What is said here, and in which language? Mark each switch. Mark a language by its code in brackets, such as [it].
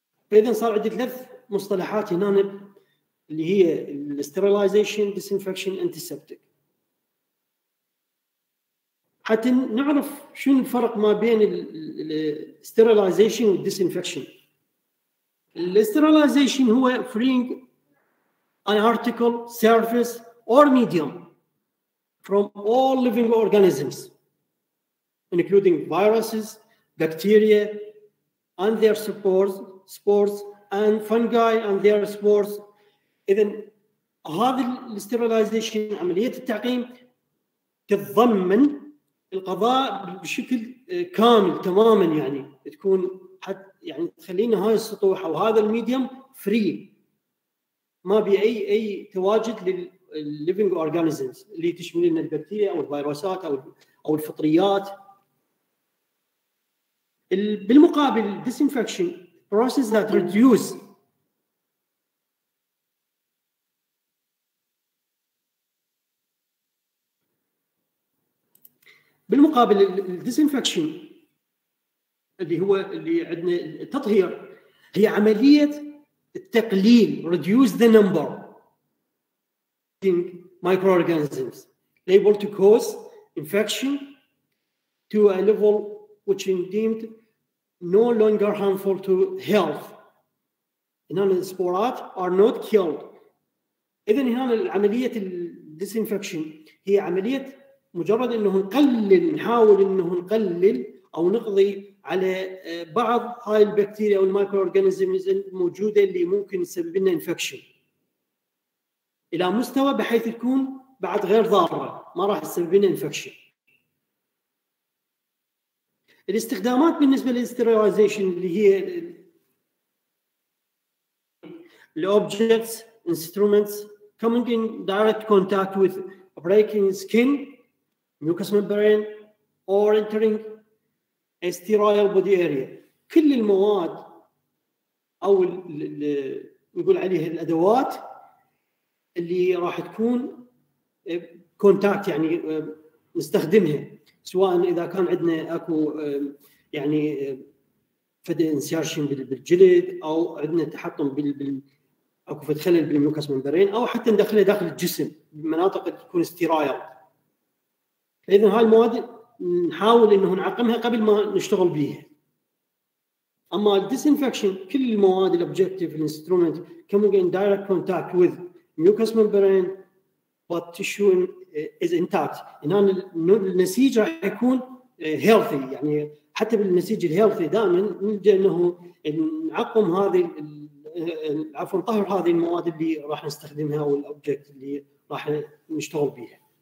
[ar] فإذا صار عندي ثلاث مصطلحات هنا اللي هي sterilization, disinfection, antiseptic. حتى نعرف شو الفرق ما بين sterilization والdisinfection. [en] الاستيرلايزيشن هو freeing an article, surface or medium from all living organisms including viruses, bacteria and their spores and fungi and their spores. [ar] إذن هذا الاستيرلايزيشن عملية التعقيم تتضمن القضاء بشكل كامل تماما يعني تكون حتى يعني تخلينا هاي السطوح أو هذا الميديوم فري ما بأي أي تواجد للليفينغ أورجانيزمز اللي تشمل لنا البكتيريا أو الفيروسات أو الفطريات. بالمقابل [en] disinfection process that reduce [ar] بالمقابل disinfection اللي هو اللي عندنا التطهير هي عملية التقليل [en] reduce the number microorganisms able to cause infection to a level which is deemed no longer harmful to health. [ar] هنا السبورات [en] are not killed. [ar] إذن هنا العملية disinfection هي عملية مجرد أنه نقلل, نحاول أنه نقلل أو نقضي على بعض هاي البكتيريا أو المايكرو أورجانيزمز الموجودة اللي ممكن تسبب لنا infection إلى مستوى بحيث تكون بعد غير ضارة, ما راح تسبب لنا infection. الاستخدامات بالنسبة [en] للsterilization اللي هي الأوبجكتس instruments coming in direct contact with breaking skin, mucous membrane, or entering a sterile body area. [ar] كل المواد أو نقول عليها الأدوات اللي راح تكون contact يعني نستخدمها, سواء إذا كان عندنا أكو يعني فد insertion بالجلد أو عندنا تحطم أو في خلل بالميوكس ممبرين أو حتى ندخله داخل الجسم بمناطق تكون استيرايل. إذن هاي المواد نحاول إنه نعقمها قبل ما نشتغل بيها. [en] أما الديسينفكشن كل المواد الأوبجكتيف الإنسترومنت coming in direct contact with mucous membrane but tissue is intact. [ar] إن هان النسيج راح يكون healthy, يعني حتى بالنسيج الهيلثي دائما نلجأ إنه نعقم هذه عفوا طهر هذه المواد اللي راح نستخدمها والأوبجكت اللي راح نشتغل بيها.